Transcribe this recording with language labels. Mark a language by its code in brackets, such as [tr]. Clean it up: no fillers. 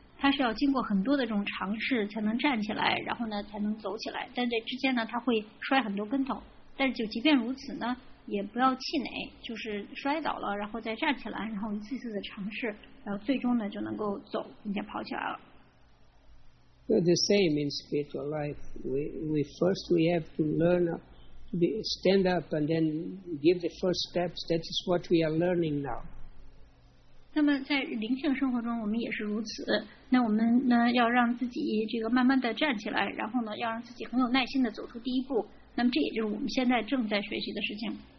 [zh] 他是要经过很多的这种尝试才能站起来，然后呢才能走起来，但这之间呢他会摔很多跟头，但就即便如此呢也不要气馁，就是摔倒了然后再站起来，然后一次次的尝试，然后最终呢就能够走并且跑起来了。 [en] The same in spiritual life, we first have to learn to be, stand up and then give the first steps. That is what we are learning now. [zh] 那么在灵性生活中我们也是如此，那我们呢要让自己这个慢慢的站起来，然后呢要让自己很有耐心的走出第一步，那么这也就是我们现在正在学习的事情。